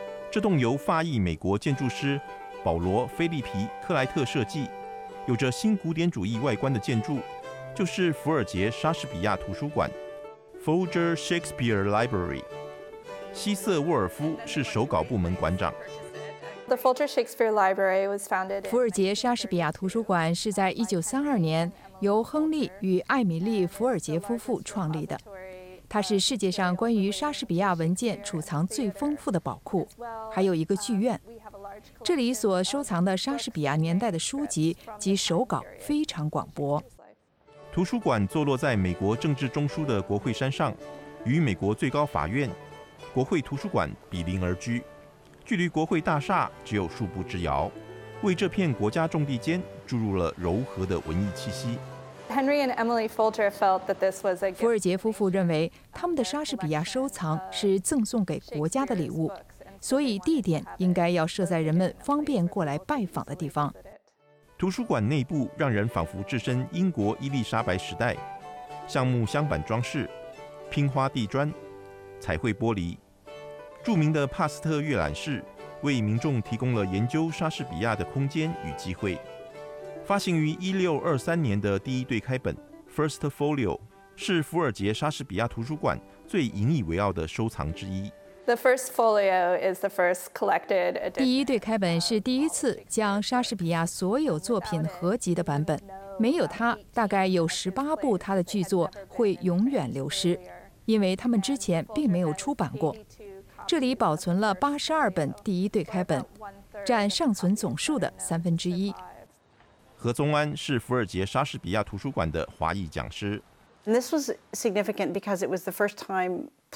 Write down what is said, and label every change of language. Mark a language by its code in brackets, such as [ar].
[zh] 这栋由法裔美国建筑师保罗·菲利皮·克莱特设计，有着新古典主义外观的建筑，就是福尔杰莎士比亚图书馆 Folger Shakespeare Library。希瑟·沃尔夫是手稿部门馆长。 [en] The Folger Shakespeare Library was founded. [zh] 福尔杰莎士比亚图书馆是在1932年由亨利与艾米丽·福尔杰夫妇创立的。它是世界上关于莎士比亚文件储藏最丰富的宝库，还有一个剧院。这里所收藏的莎士比亚年代的书籍及手稿非常广博。图书馆坐落在美国政治中枢的国会山上，与美国最高法院、国会图书馆比邻而居。距离国会大厦只有数步之遥，为这片国家重地间注入了柔和的文艺气息。 [en] Henry and Emily Folger felt that this was a [zh] 福尔杰夫妇认为他们的莎士比亚收藏是赠送给国家的礼物，所以地点应该要设在人们方便过来拜访的地方。图书馆内部让人仿佛置身英国伊丽莎白时代，橡木镶板装饰，拼花地砖，彩绘玻璃，著名的帕斯特阅览室为民众提供了研究莎士比亚的空间与机会。发行于1623年的第一对开本 First Folio 是福尔杰莎士比亚图书馆最引以为傲的收藏之一。 [en] The first folio is the first collected edition. [zh] 第一对开本是第一次将莎士比亚所有作品合集的版本。没有它，大概有18部他的剧作会永远流失，因为他们之前并没有出版过。这里保存了82本第一对开本，占尚存总数的1/3。何宗安是福尔杰莎士比亚图书馆的华裔讲师。 [en] This was significant because it was the first time.